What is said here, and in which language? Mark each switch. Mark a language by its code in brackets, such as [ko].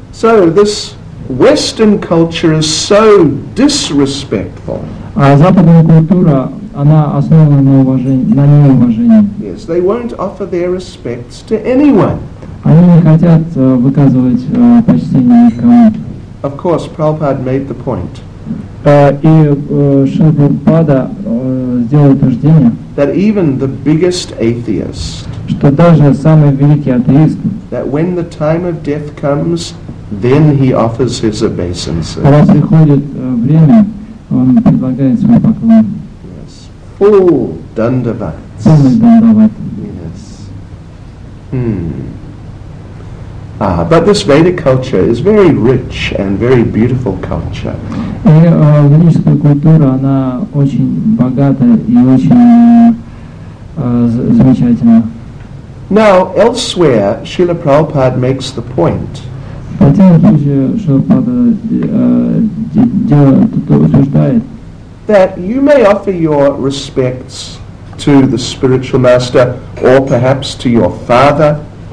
[en] So this Western culture is so disrespectful. [ru] А западная культура, она основана на уважении, на неуважении. [en] Yes, they won't offer their respects to anyone. [ru] Они не хотят выказывать почтение никому. [en] Of course, Prabhupada made the point. [ru] И Шрила Прабхупада сделал утверждение, [en] that even the biggest atheist, [ru] что даже самый великий атеист, [en] that when the time of death comes, then he offers his obeisances. [ru] Когда приходит время, он предлагает свой поклон. [en] Full dandavats. Yes. But this Vedic culture is very rich and very beautiful culture. [ru] Ведическая культура, она очень богатая и очень замечательная. [en] Now, elsewhere, Srila Prabhupada makes the point. That you may offer your respects to the spiritual master, or perhaps to your father.